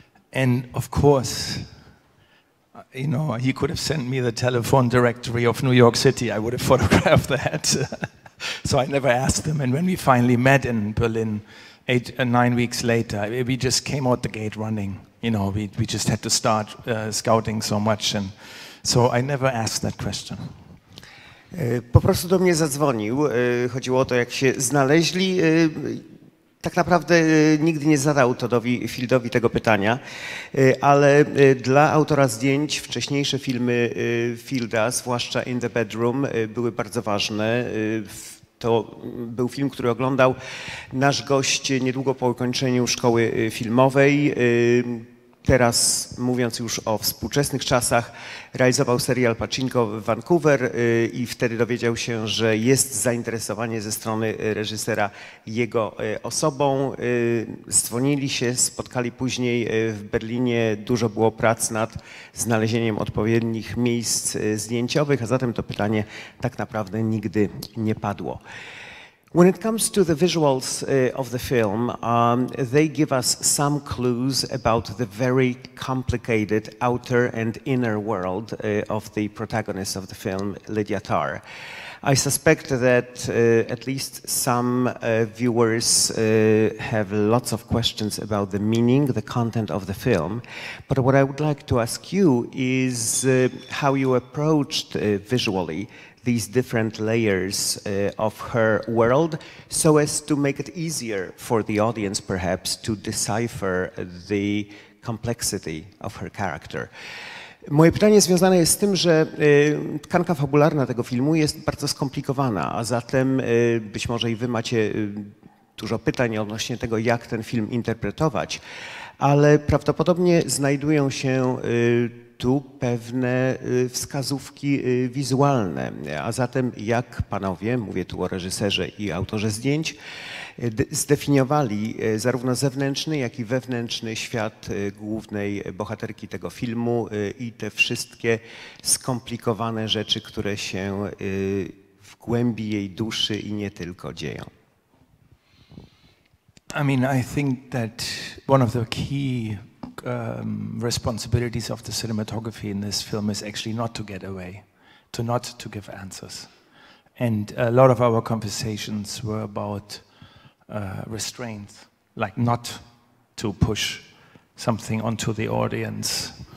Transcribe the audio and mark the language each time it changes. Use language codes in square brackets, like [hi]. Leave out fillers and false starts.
[en] And of course, you know, he could have sent me the telephone directory of New York City. I would have photographed that. So I never asked him. And when we finally met in Berlin, 8 or 9 weeks later, we just came out the gate running. You know, we just had to start scouting so much. And so I never asked that question. [pl] Po prostu do mnie zadzwonił. Chodziło o to, jak się znaleźli. Tak naprawdę nigdy nie zadał Toddowi Fieldowi tego pytania, ale dla autora zdjęć wcześniejsze filmy Fielda, zwłaszcza In the Bedroom, były bardzo ważne. To był film, który oglądał nasz gość niedługo po ukończeniu szkoły filmowej. Teraz, mówiąc już o współczesnych czasach, realizował serial Pachinko w Vancouver i wtedy dowiedział się, że jest zainteresowanie ze strony reżysera jego osobą. Zdzwonili się, spotkali później w Berlinie. Dużo było prac nad znalezieniem odpowiednich miejsc zdjęciowych, a zatem to pytanie tak naprawdę nigdy nie padło. [en] When it comes to the visuals of the film, they give us some clues about the very complicated outer and inner world of the protagonist of the film, Lydia Tarr. I suspect that at least some viewers have lots of questions about the meaning, the content of the film. But what I would like to ask you is how you approached visually these different layers of her world, so as to make it easier for the audience, perhaps, to decipher the complexity of her character. [pl] Moje pytanie związane jest z tym, że tkanka fabularna tego filmu jest bardzo skomplikowana, a zatem być może i wy macie dużo pytań odnośnie tego, jak ten film interpretować, ale prawdopodobnie znajdują się tu pewne wskazówki wizualne, a zatem jak panowie, mówię tu o reżyserze i autorze zdjęć, zdefiniowali zarówno zewnętrzny, jak i wewnętrzny świat głównej bohaterki tego filmu i te wszystkie skomplikowane rzeczy, które się w głębi jej duszy i nie tylko dzieją. [en] I mean, I think that one of the key responsibilities of the cinematography in this film is actually not to get away, to not to give answers. And a lot of our conversations were about restraint, like not to push something onto the audience.